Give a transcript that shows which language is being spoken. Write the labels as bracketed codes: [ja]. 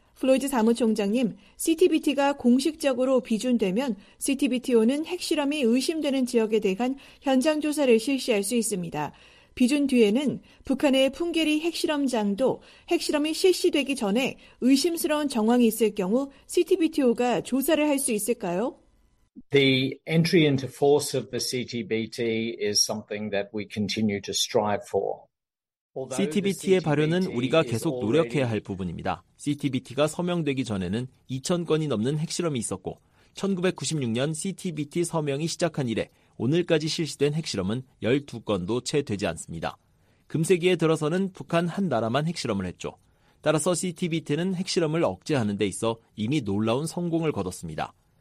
[ko] 플로이드 사무총장님, CTBT가 공식적으로 비준되면 CTBTO는 핵실험이 의심되는 지역에 대한 현장 조사를 실시할 수 있습니다. 비준 뒤에는 북한의 풍계리 핵실험장도 핵실험이 실시되기 전에 의심스러운 정황이 있을 경우 CTBTO가 조사를 할 수 있을까요? [en] The entry into force of the CTBT is something that we continue to strive for. [ko] CTBT의 발효는 우리가 계속 노력해야 할 부분입니다. CTBT가 서명되기 전에는 2,000건이 넘는 핵실험이 있었고 1996년 CTBT 서명이 시작한 이래 오늘까지 실시된 핵실험은 12건도 채 되지 않습니다. 금세기에 들어서는 북한 한 나라만 핵실험을 했죠. 따라서 CTBT는 핵실험을 억제하는 데 있어 이미 놀라운 성공을 거뒀습니다.